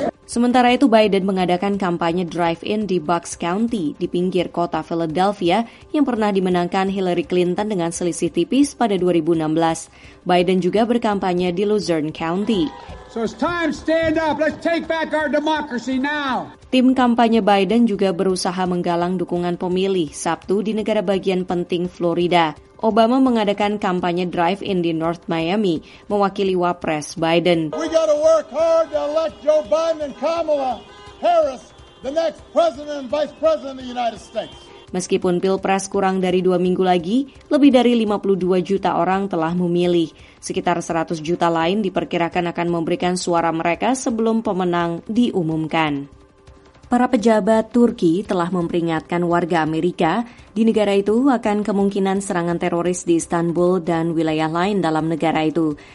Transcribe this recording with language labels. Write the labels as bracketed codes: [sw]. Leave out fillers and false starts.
[id] Sementara itu Biden mengadakan kampanye drive-in di Bucks County di pinggir kota Philadelphia yang pernah dimenangkan Hillary Clinton dengan selisih tipis pada 2016. Biden juga berkampanye di Luzerne County. [en] So it's time, stand up. Let's take back our democracy now. [id] Tim kampanye Biden juga berusaha menggalang dukungan pemilih Sabtu di negara bagian penting Florida. Obama mengadakan kampanye drive-in di North Miami mewakili Wapres Biden. [en] We got to work hard to elect Joe Biden and Kamala Harris the next president and vice president of the United States. [id] Meskipun Pilpres kurang dari 2 minggu lagi, lebih dari 52 juta orang telah memilih. Sekitar 100 juta lain diperkirakan akan memberikan suara mereka sebelum pemenang diumumkan. Para pejabat Turki telah memperingatkan warga Amerika di negara itu akan kemungkinan serangan teroris di Istanbul dan wilayah lain dalam negara itu.